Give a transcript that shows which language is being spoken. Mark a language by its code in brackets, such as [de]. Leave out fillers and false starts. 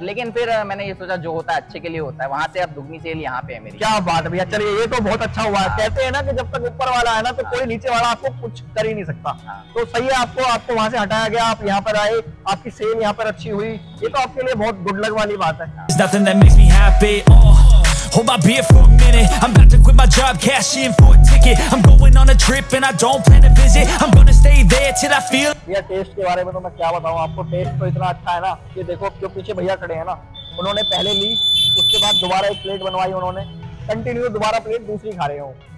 [hi] लेकिन फिर मैंने ये सोचा जो होता है अच्छे के लिए होता है, वहां से अब दुगनी सेल यहाँ पे है मेरी। क्या बात भैया, चलिए ये तो बहुत अच्छा हुआ है। कहते हैं ना कि जब तक ऊपर वाला है ना तो कोई नीचे वाला आपको कुछ कर ही नहीं सकता, तो सही है आपको, आपको वहां से हटाया गया, आप यहाँ पर आए, आपकी सेल यहाँ पर अच्छी हुई, ये तो आपके लिए बहुत गुड लक वाली बात है। [en] Hold my beer for a minute. I'm about to quit my job, cash in for a ticket. I'm going on a trip and I don't plan to visit. I'm gonna stay there till I feel. [hi] भैया test के बारे में तो मैं क्या बताऊँ आपको, test तो इतना अच्छा है ना कि देखो जो पीछे भैया खड़े हैं ना, उन्होंने पहले ली उसके बाद दोबारा एक प्लेट बनवाई, उन्होंने कंटिन्यू दोबारा प्लेट दूसरी खा रहे हूँ।